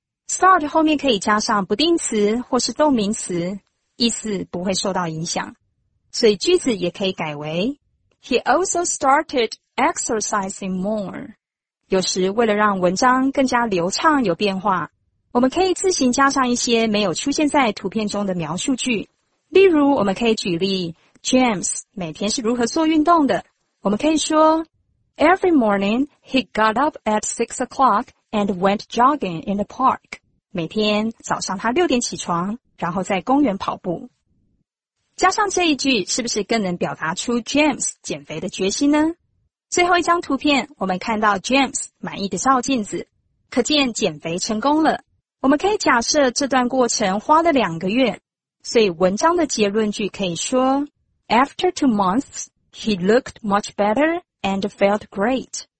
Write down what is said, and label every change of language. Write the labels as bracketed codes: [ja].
[zh] Start 后面可以加上不定词或是动名词，意思不会受到影响，所以句子也可以改为 [en] He also started exercising more。 [zh] 有时为了让文章更加流畅有变化，我们可以自行加上一些没有出现在图片中的描述句，例如我们可以举例 James 每天是如何做运动的。我们可以说 [en] Every morning he got up at 6 o'clockand went jogging in the park. [zh] 每天早上他六点起床，然后在公园跑步。加上这一句是不是更能表达出 James 减肥的决心呢？最后一张图片我们看到 James 满意的照镜子，可见减肥成功了。我们可以假设这段过程花了两个月，所以文章的结论句可以说 [en] After 2 months, he looked much better and felt great.